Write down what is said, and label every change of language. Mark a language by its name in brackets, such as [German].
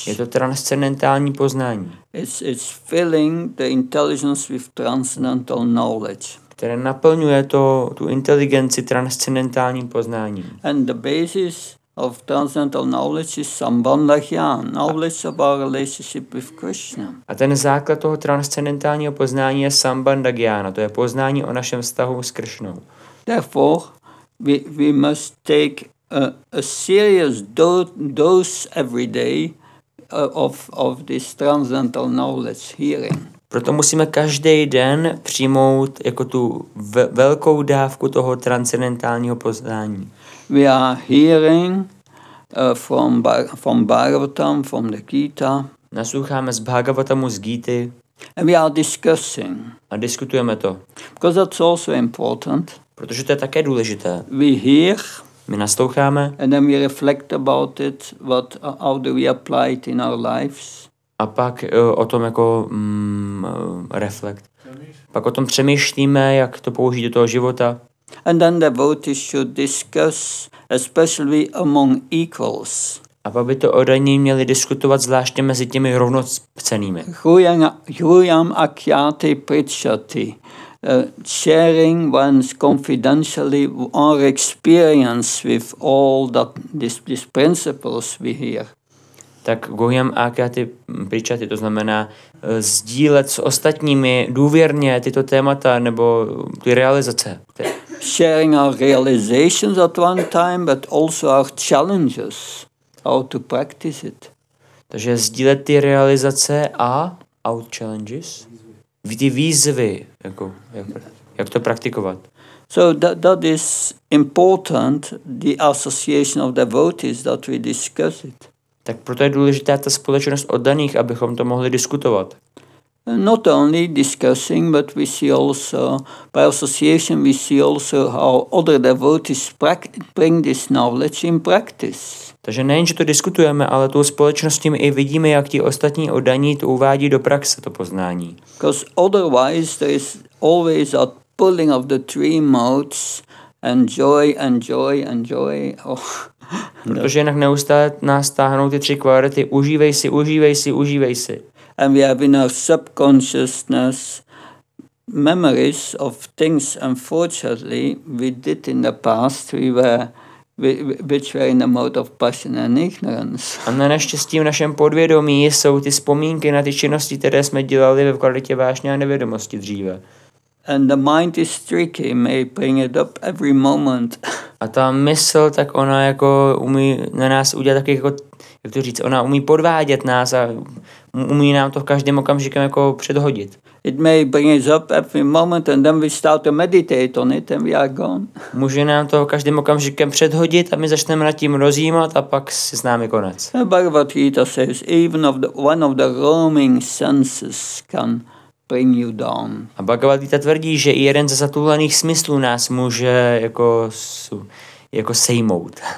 [Czech] Je to transcendentální poznání. [English] It's filling the intelligence with transcendental knowledge. [Czech] Které naplňuje tu inteligenci transcendentálním poznáním. [English] And the basis of transcendental knowledge is sambandha, knowledge of our relationship with Krishna. [Czech] A ten základ toho transcendentálního poznání je sambandha jnana, to je poznání o našem vztahu s Krishnou. [English] Therefore, we must take a serious dose every day of this transcendental knowledge hearing. [Czech] Proto musíme každý den přijmout jako tu velkou dávku toho transcendentálního poznání. [English] We are hearing from Bhagavatam, from the Gita. [Czech] Nasloucháme z Bhagavatamu, z Gity. [English] And we are discussing. [Czech] A diskutujeme to. [English] Because that's also important. [Czech] Protože to je také důležité. [English] We hear. [Czech] My nasloucháme. [English] And then we reflect about it, what, how do we apply it in our lives. [Czech] A pak o tom jako reflect. Pak o tom přemýšlíme, jak to použít do toho života. And then devotees should discuss, especially among equals. A pak by to oddaní měli diskutovat zvláště mezi těmi rovnocennými. [Sanskrit] Huyam akhyate pritchati. [English] Sharing one's confidentially our experience with all that these principles we hear. [Czech] Tak Guhyam Akyati Pričaty, to znamená sdílet s ostatními důvěrně tyto témata nebo ty realizace. [English] Sharing our realizations at one time, but also our challenges, how to practice it. [Czech] Takže sdílet ty realizace a [English] our challenges, [Czech] ty výzvy, jak to praktikovat. [English] So that is important, the association of devotees that we discuss it. [Czech] Tak proto je důležitá ta společnost oddaných, abychom to mohli diskutovat. [English] Not only discussing, but we see also, by association we see also how other devotees bring this knowledge in practice. [Czech] Takže nejen, že to diskutujeme, ale tu společnost i vidíme, jak ti ostatní oddaní to uvádí do praxe, to poznání. [English] Because otherwise there is always a pulling of the three modes, enjoy, enjoy, enjoy. Oh. [Czech] Protože jinak neustále nás táhnou ty tři kvality, užívej si, užívej si, užívej si. [English] And we have in our subconsciousness memories of things, unfortunately, we did in the past, which were in the mode of passion and ignorance. [Czech] A na neštěstí v našem podvědomí jsou ty vzpomínky na ty činnosti, které jsme dělali ve kvalitě vášně a nevědomosti dříve. [English] And the mind is tricky, may bring it up every moment. [Czech] A ta mysl, tak ona jako umí na nás udělat taky jako, jak to říct, ona umí podvádět nás a umí nám to v každém okamžiku jako předhodit. [English] It may bring it up every moment and then we start to meditate on it and we are gone. [Czech] Může nám to v každém okamžiku předhodit a my začneme nad tím rozjímat a pak si s námi konec. [English] Bhagavad Gita says, even of the, one of the roaming senses can bring you down. [Czech] A Bhagavad Gita tvrdí, že i jeden ze zatulených smyslů nás může jako sejmout.